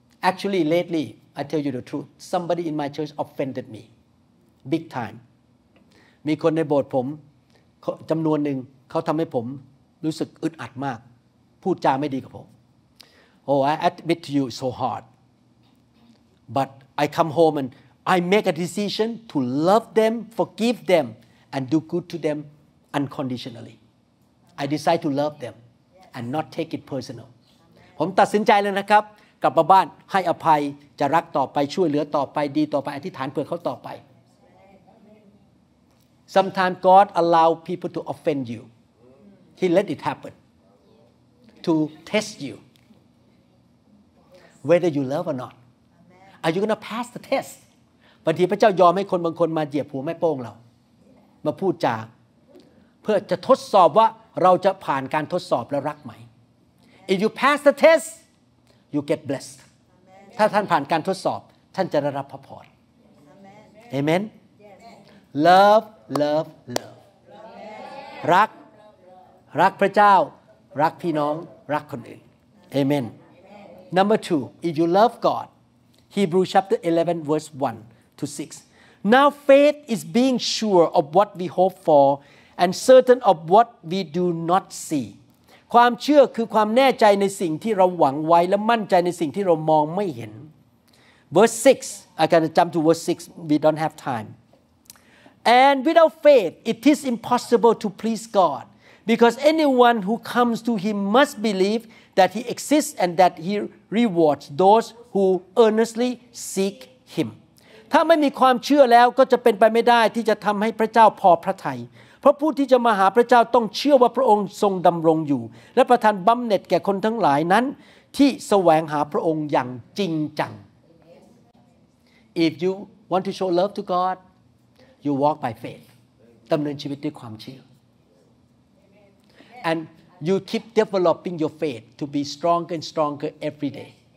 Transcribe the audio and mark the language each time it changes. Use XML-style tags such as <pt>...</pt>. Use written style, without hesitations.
<en>actually lately I tell you the truth somebody in my church offended me big time</en> <th>มีคนในโบสถ์ผมจำนวนหนึ่งเขาทำให้ผมรู้สึกอึดอัดมากพูดจาไม่ดีกับผม</th> <en>Oh I admit to you so hard but I come home and I make a decision to love them forgive them and do good to them unconditionally I decide to love them and not take it personal</en> <th>ผมตัดสินใจเลยนะครับกลับมาบ้านให้อภัยจะรักต่อไปช่วยเหลือต่อไปดีต่อไปอธิษฐานเผื่อเขาต่อไป</th> <en>Sometimes God allow people to offend youHe let it happen to test you whether you love or not. Are you going to pass the test?</en> <th>บางทีพระเจ้ายอมให้คนบางคนมาเหยียบหัวแม่โป้งเรามาพูดจาเพื่อจะทดสอบว่าเราจะผ่านการทดสอบและรักไหม</th> <en>If you pass the test, you get blessed.</en> <th>ถ้าท่านผ่านการทดสอบท่านจะได้รับพระพร</th> <en>Amen. Love, love, love.</en> <th>รักรักพระเจ้ารักพี่น้องรักคนอื่น</th> <en>Amen Number 2 If you love God Hebrews chapter 11 verse 1 to 6 Now faith is being sure of what we hope for and certain of what we do not see</en> <th>ความเชื่อคือความแน่ใจในสิ่งที่เราหวังไว้และมั่นใจในสิ่งที่เรามองไม่เห็น</th> <en>Verse 6 I can jump to verse 6 we don't have time And without faith it is impossible to please God Because anyone who comes to him must believe that he exists and that he rewards those who earnestly seek him.</en> <th>ถ้าไม่มีความเชื่อแล้วก็จะเป็นไปไม่ได้ที่จะทำให้พระเจ้าพอพระทัยเพราะผู้ที่จะมาหาพระเจ้าต้องเชื่อว่าพระองค์ทรงดำรงอยู่และประทานบำเหน็จแก่คนทั้งหลายนั้นที่แสวงหาพระองค์อย่างจริงจัง</th> <en>If you want to show love to God you walk by faith</en> <th>ดำเนินชีวิตด้วยความเชื่อ</th> <en>andYou keep developing your faith to be stronger and stronger every day.</en>